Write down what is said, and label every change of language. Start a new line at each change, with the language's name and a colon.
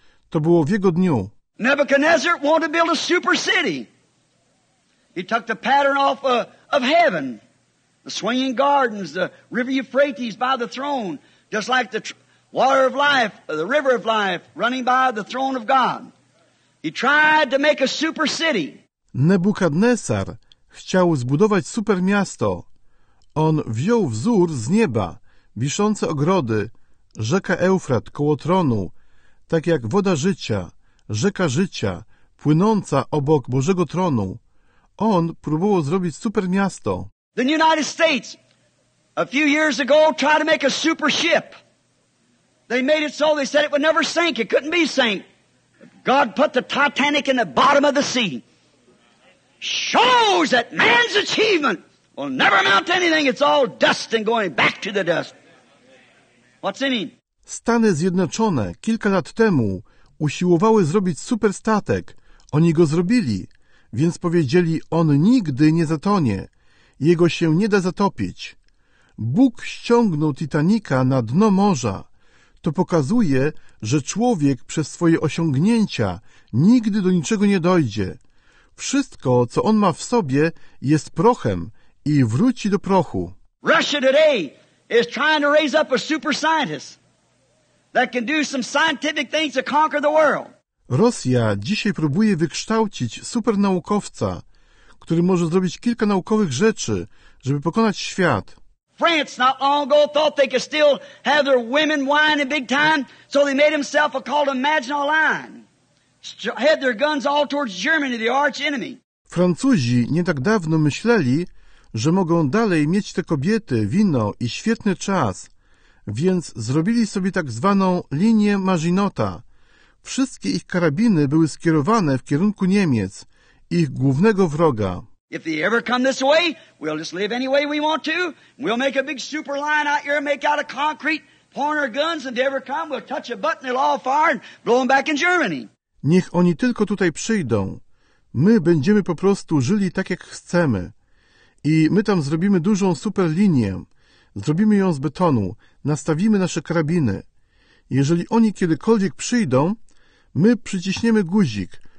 Polish: To było w jego dniu.
English: Nebuchadnezzar wanted to build a super city. He took the pattern off of heaven. The swinging gardens, the river Euphrates by the throne, just like the water of life, the river of life, running by the throne of God. He tried to make a super city.
Polish: Nebuchadnezzar chciał zbudować super miasto. On wziął wzór z nieba, wiszące ogrody, rzeka Eufrat koło tronu, tak jak woda życia, rzeka życia, płynąca obok Bożego tronu. On próbował zrobić super miasto.
English: The United States, a few years ago, tried to make a super ship. They made it so they said it would never sink. It couldn't be sank. God put the Titanic in the bottom of the sea. Shows that man's achievement will never amount to anything. It's all dust and going back to the dust. What's in him?
Polish: Stany Zjednoczone kilka lat temu usiłowały zrobić superstatek. Oni go zrobili, więc powiedzieli, on nigdy nie zatonie. Jego się nie da zatopić. Bóg ściągnął Titanika na dno morza. To pokazuje, że człowiek przez swoje osiągnięcia nigdy do niczego nie dojdzie. Wszystko, co on ma w sobie, jest prochem i wróci do prochu.
English: Russia today is trying to raise up a super scientist that can do some scientific things to conquer the world.
Polish: Rosja dzisiaj próbuje wykształcić supernaukowca, który może zrobić kilka naukowych rzeczy, żeby pokonać świat.
English: France not long ago thought they could still have their women whining big time, so they made himself a called a Maginot Line. Had their guns all towards Germany, the arch enemy.
Polish: Francuzi nie tak dawno myśleli, że mogą dalej mieć te kobiety, wino i świetny czas, więc zrobili sobie tak zwaną linię Maginota. Wszystkie ich karabiny były skierowane w kierunku Niemiec, ich głównego wroga.
English: If they ever come this way, we'll just live any way we want to. We'll make a big super line out here, make out of concrete, point our guns, and if they ever come, we'll touch a button, they'll all fire, and blow them back in Germany.
Polish: Niech oni tylko tutaj przyjdą. My będziemy po prostu żyli tak, jak chcemy. I my tam zrobimy dużą super linię. Zrobimy ją z betonu. Nastawimy nasze karabiny. Jeżeli oni kiedykolwiek przyjdą, my przyciśniemy guzik.